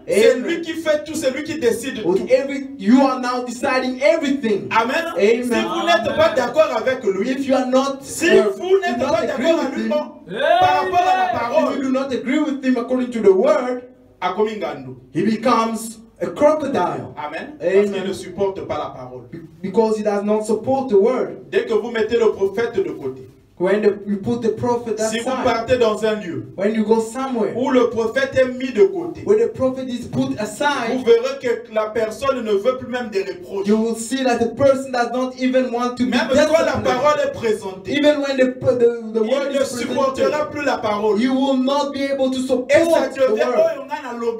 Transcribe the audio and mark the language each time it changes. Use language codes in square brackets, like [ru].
[fr] C'est lui qui fait tout, c'est lui qui décide tout. [en] You are now deciding everything. Amen. Amen. [fr] Si vous n'êtes pas d'accord avec lui, [en] if you are not, [fr] si vous n'êtes pas d'accord avec lui, him, par rapport à la parole, [en] if you do not agree with him according to the word, he becomes a crocodile. Amen. Amen. [fr] Parce qu'il ne supporte pas la parole. [en] Because he does not support the word. [fr] Dès que vous mettez le prophète de côté. [en] When you put the prophet aside, [fr] si vous partez dans un lieu, [en] when you go somewhere, [fr] où le prophète est mis de côté, [en] where the prophet is put aside, [fr] vous verrez que la personne ne veut plus même des reproches. [en] You will see that the person does not even want to [fr] même [en] be dealt with. [fr] La parole est présentée, [en] even when the word [fr] il ne supportera plus la parole. [en] You will not be able to support the word.